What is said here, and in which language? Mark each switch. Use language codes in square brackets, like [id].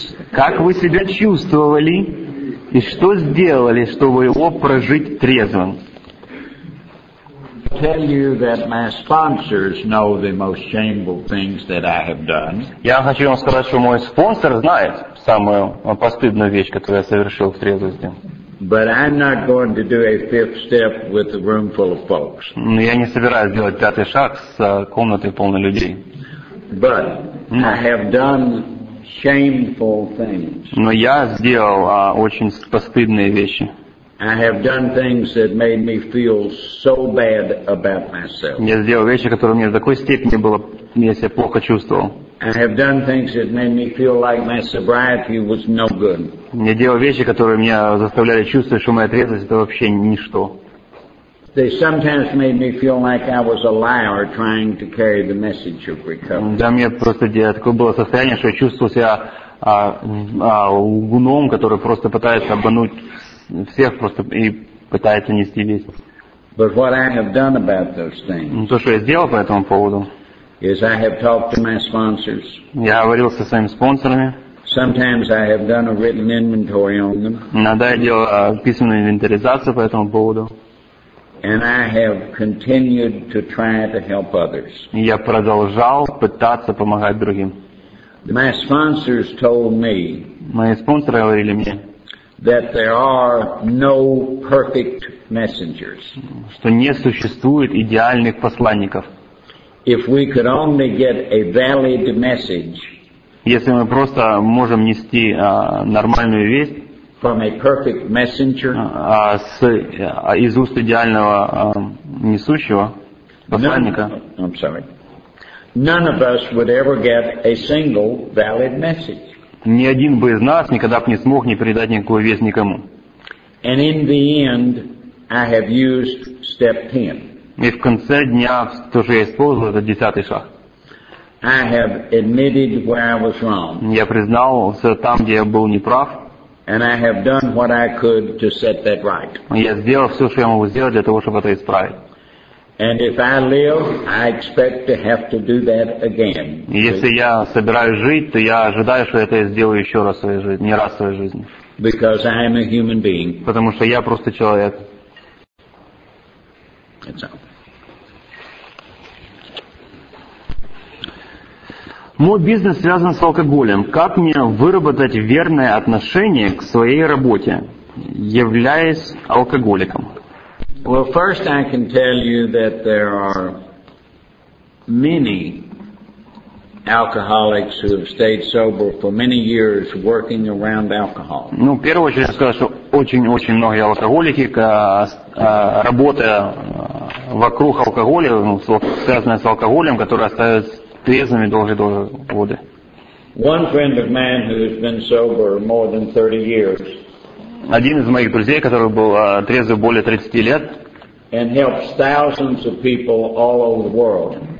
[ru] Как вы себя чувствовали и что сделали, чтобы его прожить трезвым? [en] Tell you that my sponsors know the most shameful things that I have done. [ru] Я хочу вам сказать, что мой спонсор знает самую постыдную вещь, которую я совершил в трезвости. [en] But I'm not going to do a fifth step with a room full of folks. [ru] Но я не собираюсь делать пятый шаг с комнатой полной людей. [en] But I have done shameful things. [ru] Но я сделал очень постыдные вещи. [en] I have done things that made me feel so bad about myself. [ru] Я сделал вещи, которые мне в такой степени было, я себя плохо чувствовал. [en] I have done things that made me feel like my sobriety was no good. [ru] Я делал вещи, которые меня заставляли чувствовать, что моя трезвость это вообще ничто. [en] They sometimes made me feel like I was a liar trying to carry the message of recovery. [ru] Да, мне просто такое было состояние, что я чувствовал себя лгуном, который просто пытается обмануть всех просто и пытается нести весть. Но то, что я сделал по этому поводу, я говорил со своими спонсорами. Иногда я делал письменную инвентаризацию по этому поводу. И я продолжал пытаться помогать другим. Мои спонсоры говорили мне, [en] that there are no perfect messengers. [ru] Что не существует идеальных посланников. [en] If we could only get a valid message, [ru] если мы просто можем нести нормальную весть [en] from a perfect messenger, [ru] из уст идеального несущего посланника. [en] I'm sorry. None of us would ever get a single valid message. [ru] Ни один бы из нас никогда бы не смог не передать никакую весть никому. [en] And in the end, I have used step 10. [ru] И в конце дня тоже я использовал этот десятый шаг. [en] I have admitted where I was wrong. [ru] Я признался там, где я был неправ. [en] And I have done what I could to set that right. [ru] Я сделал все, что я могу сделать для того, чтобы это исправить. [en] And if I live, I expect to have to do that again. [ru] Если я собираюсь жить, то я ожидаю, что это я сделаю еще раз в своей жизни, не раз в своей жизни. [en] Because I am a human being. [ru] Потому что я просто человек. [en] It's all. [ru] Мой бизнес связан с алкоголем. Как мне выработать верное отношение к своей работе, являясь алкоголиком? [en] Well, first I can tell you that there are many alcoholics who have stayed sober for many years working around alcohol. [ru] Ну, в первую очередь я скажу, что очень-очень многие алкоголики, работая вокруг алкоголя, ну, связанные с алкоголем, которые остаются трезвыми долгие-долгие годы. [en] One friend of mine who has been sober more than 30 years. [ru] Один из моих друзей, который был трезвый более 30 лет. [en] And helps thousands of people all over the world.